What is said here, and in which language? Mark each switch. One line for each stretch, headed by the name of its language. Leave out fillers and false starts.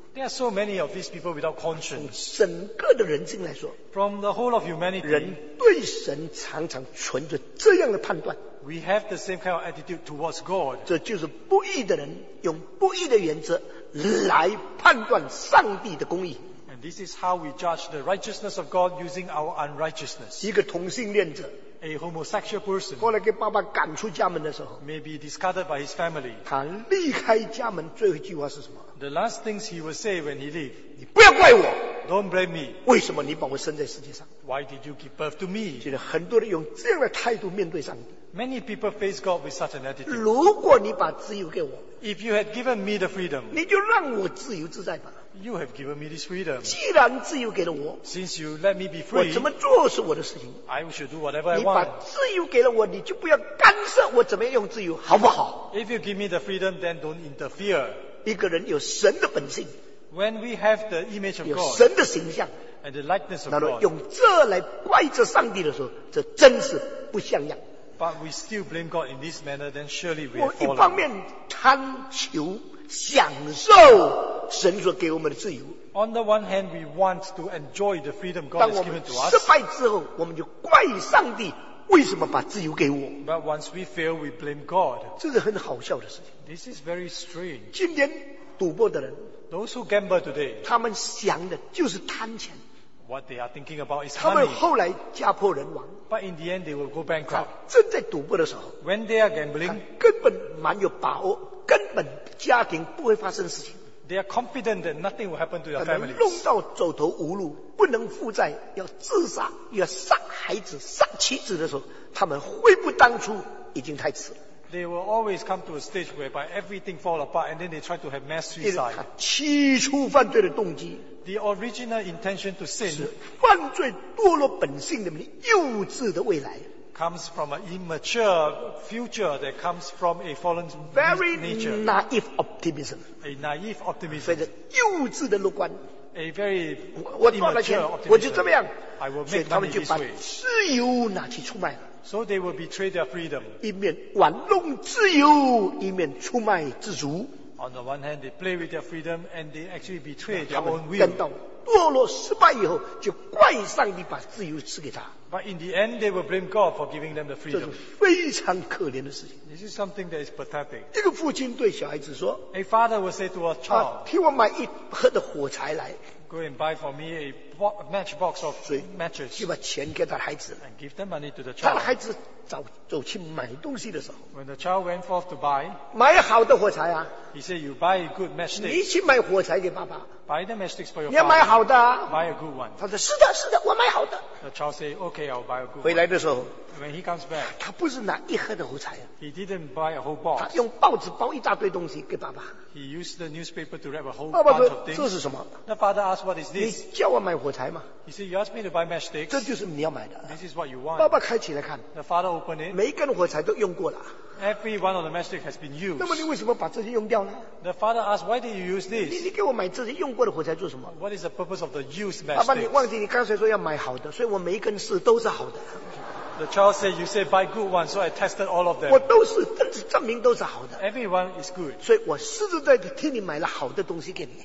English: There are so many of these people without conscience.
Chinese: 从整个的人性来说
English: ，from the whole of humanity,
Chinese: 人对神常常存着这样的判断。
English: We have the same kind of attitude towards God.
Chinese: 这就是不义的人用不义的原则来判断上帝的公义。
English: And this is how we judge the righteousness of God using our unrighteousness.
Chinese: 一个同性恋者
English: a homosexual person，
Chinese: 后来给爸爸赶出家门的时候
English: ，maybe discarded by his family，
Chinese: 他离开家门最后一句话是什么
English: ？The last things he will say when he leave，
Chinese: 你不要怪我
English: ，Don't blame me，
Chinese: 为什么你把我生在世界上
English: ？Why did you give birth to me？
Chinese: 其实很多人用这样的态度面对上帝。
English: Many people face God with such an attitude。
Chinese: 如果你把自由给我
English: ，If you had given me the freedom，
Chinese: 你就让我自由自在吧。
English: You have given me this freedom。
Chinese: 既然自由给了我
English: ，Since you let me be free，
Chinese: 我怎么做是我的事情。
English: I should do whatever I want。
Chinese: 你把自由给了我，你就不要干涉我怎么样用自由，好不好
English: ？If you give me the freedom, then don't interfere。
Chinese: 一个人有神的本性
English: ，When we have the image of God，
Chinese: 有神的形象
English: ，and the likeness of God，
Chinese: 那么用这来怪罪上帝的时候，这真是不像样。
English: But we still blame God in this manner, then surely we have fallen.
Chinese: 我一方面贪求享受神所给我们的自由。
English: On the one hand, we want to enjoy the freedom God has given to us.
Chinese: 当我们失败之后，我们就怪上帝为什么把自由给我。
English: But once we fail, we blame God.
Chinese: 这是很好笑的事情。
English: This is very strange.
Chinese: 今天赌博的人
English: ，Those who gamble today,
Chinese: 他们想的就是贪钱。
English: What they are thinking about is money.
Chinese: 他们后来家破人亡。
English: But in the end, they will go bankrupt.
Chinese: 正在赌博的时候
English: ，When they are gambling,
Chinese: 根本蛮有把握，根本家庭不会发生事情。
English: They are confident that nothing will happen to their families.
Chinese: 可能弄到走投无路，不能负债，要自杀，要杀孩子、杀妻子的时候，他们悔不当初，已经太迟了。
English: They will always come to a stage whereby everything falls apart, and then they try to have mass suicide.
Chinese: 因为他起初犯罪的动机。
English: The original intention to sin
Chinese: 是犯罪堕落本性里面幼稚的未来
English: comes from an immature future that comes from a fallen very nature naive optimism a naive optimism
Chinese: 非常幼稚的乐观
English: a very
Chinese: 我赚了钱我就这么样
English: I will make money this way
Chinese: 所以他们就把自由拿去出卖了
English: so they will betray their freedom
Chinese: 一面玩弄自由一面出卖自足。
English: On the one hand, they play with their freedom, and they actually betray their own will.
Chinese: 等到堕落失败以后，就怪上帝把自由赐给他。
English: But in the end, they will blame God for giving them the freedom.
Chinese: 这是非常可怜的事情。
English: This is something that is pathetic.
Chinese: 一个父亲对小孩子说
English: ，A father will say to a child,
Chinese: 替我买一盒的火柴来。
English: Go and buy for me a matchbox of matches.
Chinese: 就把钱给他孩子。
English: And give the money to the child.
Chinese: 他的孩子走去买东西的时候
English: ，When the child went forth to buy,
Chinese: 买好的火柴啊。
English: He said, "You buy a good matchstick."
Chinese: 你去买火柴给爸爸。
English: Buy the matchsticks for your father.
Chinese: 你要买好的、啊。
English: Buy a good one.
Chinese: 他说：“是的，是的，我买好的。
English: ”The child said, "Okay, I'll buy a good one."
Chinese: 回来的时候
English: ，When he comes back,
Chinese: 他不是拿一盒的火柴啊。
English: He didn't buy a whole box.
Chinese: 他用报纸包一大堆东西给爸爸。
English: He used the newspaper to wrap a whole bunch of things.
Chinese: 爸爸，这是什么
English: ？The father asked, "What is this?"
Chinese: 你叫我买火柴吗
English: ？He said, "You asked me to buy matchsticks."
Chinese: 这就是你要买的。
English: This is what you want.
Chinese: 爸爸开起来看。
English: The father opened it.
Chinese: 每一根火柴都用过了。
English: Every one of the matchstick has been used.
Chinese: 那么你为什么把这些用掉呢
English: ？The father asked, "Why did you use this?"
Chinese: 你给我买这些用过的火柴做什么
English: ？What is the purpose of the used matchstick?
Chinese: 爸爸，你忘记你刚才说要买好的，所以我每一根是都是好的。
English: The child said, "You said buy good ones, so I tested all of them."
Chinese: 我都是，但是证明都是好的。
English: Everyone is good.
Chinese: 所以我实实在在替你买了好的东西给你。